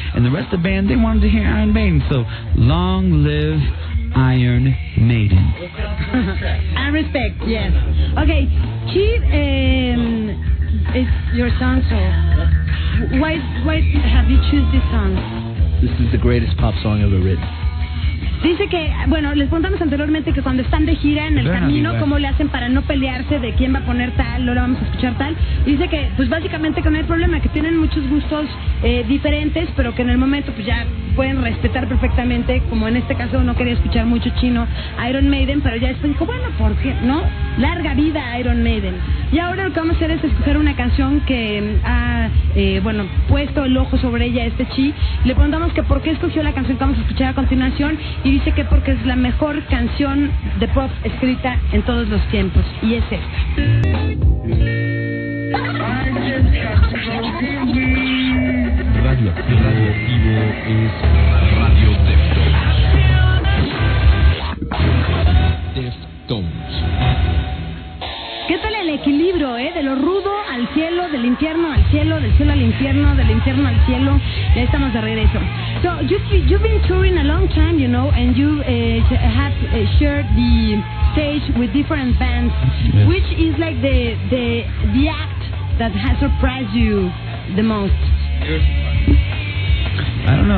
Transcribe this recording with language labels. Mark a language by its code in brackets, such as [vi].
[en] And the rest of the band, they wanted to hear Iron Maiden, so long live Iron Maiden. I respect, yes. Okay, Chief, it's your song, so why have you choose this song? This is the greatest pop song ever written. [es] Dice que, bueno, les contamos anteriormente que cuando están de gira en el camino, cómo le hacen para no pelearse de quién va a poner tal, no la vamos a escuchar tal. Dice que, pues básicamente que no hay problema, que tienen muchos gustos diferentes, pero que en el momento pues ya pueden respetar perfectamente, como en este caso no quería escuchar mucho chino Iron Maiden, pero ya después dijo, bueno, ¿por qué no? Larga vida Iron Maiden. Y ahora lo que vamos a hacer es escuchar una canción que ha, bueno, puesto el ojo sobre ella este Chi. Le preguntamos que por qué escogió la canción que vamos a escuchar a continuación, y dice que porque es la mejor canción de pop escrita en todos los tiempos, y es esta. Radioactivo es Radio Deftones. ¿Qué tal el equilibrio, de lo rudo al cielo, del infierno al cielo, del cielo al infierno, del infierno al cielo? Ya estamos de regreso. [en] So you've been touring a long time, you know, and you have shared the stage with different bands. Yes. Which is like the act that has surprised you the most? I don't know.